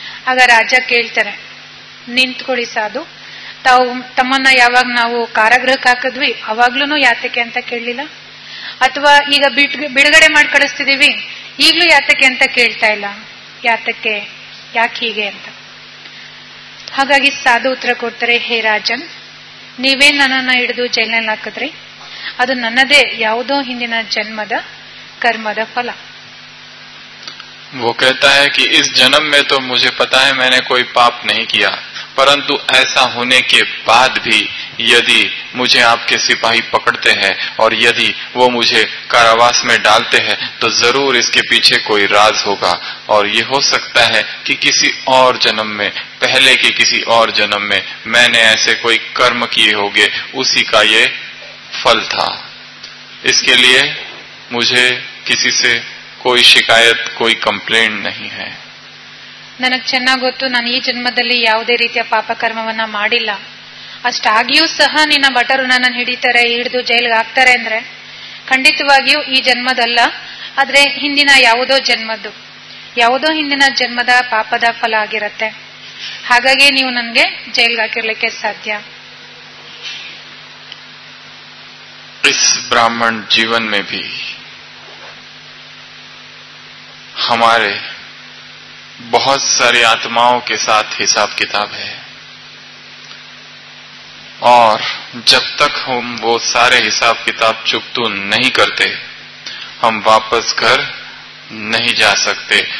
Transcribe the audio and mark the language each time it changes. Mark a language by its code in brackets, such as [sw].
[kn] ಆಗ ರಾಜ ಕೇಳ್ತಾರೆ, ನಿಂತ್ಕೊಳ್ಳಿ ಸಾಧು, ತಮ್ಮನ್ನ ಯಾವಾಗ ನಾವು ಕಾರಾಗೃಹಕ್ಕೆ ಹಾಕಿದ್ವಿ ಅವಾಗ್ಲೂ ಯಾತಕ್ಕೆ ಅಂತ ಕೇಳಲಿಲ್ಲ, ಅಥವಾ ಈಗ ಬಿಡುಗಡೆ ಮಾಡಿ ಕಳಿಸ್ತಿದೀವಿ ಈಗ್ಲೂ ಯಾತಕ್ಕೆ ಅಂತ ಕೇಳ್ತಾ ಇಲ್ಲ, ಯಾತಕ್ಕೆ, ಯಾಕೆ ಹೀಗೆ ಅಂತ. ಹಾಗಾಗಿ ಸಾಧು ಉತ್ತರ ಕೊಡ್ತಾರೆ, ಹೇ ರಾಜನ್, ನೀವೇ ನನ್ನನ್ನ ಹಿಡಿದು ಜೈಲಿನಲ್ಲಿ ಹಾಕಿದ್ರಿ, ಅದು ನನ್ನದೇ ಯಾವುದೋ ಹಿಂದಿನ ಜನ್ಮದ ಕರ್ಮದ ಫಲ. [hi] वो कहता है कि इस जन्म में तो मुझे पता है मैंने कोई पाप नहीं किया, परंतु ऐसा होने के बाद भी यदि मुझे आपके सिपाही पकड़ते हैं और यदि वो मुझे कारावास में डालते हैं तो जरूर इसके पीछे कोई राज होगा और ये हो सकता है कि किसी और जन्म में, पहले के किसी और जन्म में मैंने ऐसे कोई कर्म किए होंगे, उसी का ये फल था। इसके लिए मुझे किसी से ಕೋಯಿ ಶಿಕಾಯತ್ ಕೋಯಿ ಕಂಪ್ಲೇಂಟ್ ನಹಿ ಹೈ. [kn] ನನಗೆ ಚೆನ್ನಾಗಿ ಗೊತ್ತು, ನಾನು ಈ ಜನ್ಮದಲ್ಲಿ ಯಾವುದೇ ರೀತಿಯ ಪಾಪ ಕರ್ಮವನ್ನ ಮಾಡಿಲ್ಲ, ಅಷ್ಟಾಗಿಯೂ ಸಹ ನಿನ್ನ ಭಟರು ನನ್ನನ್ನು ಹಿಡಿತಾರೆ, ಹಿಡಿದು ಜೈಲಿಗೆ ಹಾಕ್ತಾರೆ ಅಂದ್ರೆ ಖಂಡಿತವಾಗಿಯೂ ಈ ಜನ್ಮದಲ್ಲ, ಆದ್ರೆ ಹಿಂದಿನ ಯಾವುದೋ ಜನ್ಮದ್ದು, ಯಾವುದೋ ಹಿಂದಿನ ಜನ್ಮದ ಪಾಪದ ಫಲ ಆಗಿರತ್ತೆ. ಹಾಗಾಗಿ ನೀವು ನನಗೆ ಜೈಲಿಗೆ ಹಾಕಿರ್ಲಿಕ್ಕೆ ಸಾಧ್ಯ. [hi] ಬ್ರಾಹ್ಮಣ್ ಜೀವನ್ ಮೇ ಭೀ हमारे बहुत सारे आत्माओं के साथ हिसाब किताब है और जब तक हम वो सारे हिसाब किताब चुकतू नहीं करते हम वापस घर नहीं जा सकते।